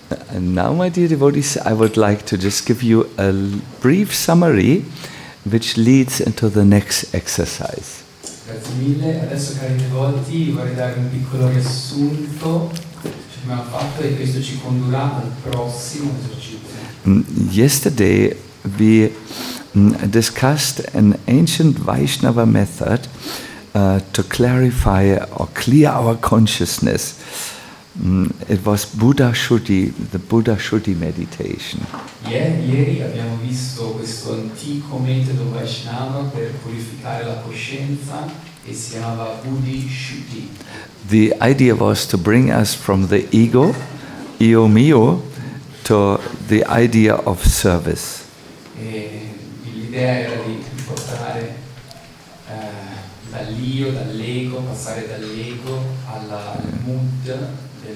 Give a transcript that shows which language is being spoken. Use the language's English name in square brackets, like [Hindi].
[English] And now, my dear devotees, I would like to just give you a brief summary which leads into the next exercise. [Italian] Grazie mille. Adesso, cari devoti, vorrei dare un piccolo riassunto che abbiamo fatto e questo ci condurrà al prossimo esercizio. [English] Yesterday we discussed an ancient Vaishnava method to clarify or clear our consciousness. It was Buddha Shuddhi, the Buddha Shuddhi meditation. [Italian] Ieri abbiamo visto questo antico metodo Vaishnava per purificare la coscienza e si chiamava Buddhi Shuddhi. [English] The idea was to bring us from the ego, [Italian] io mio, [English] to the idea of service. [Italian] L'idea era di portare dall'io, dall'ego, passare dall'ego alla mood.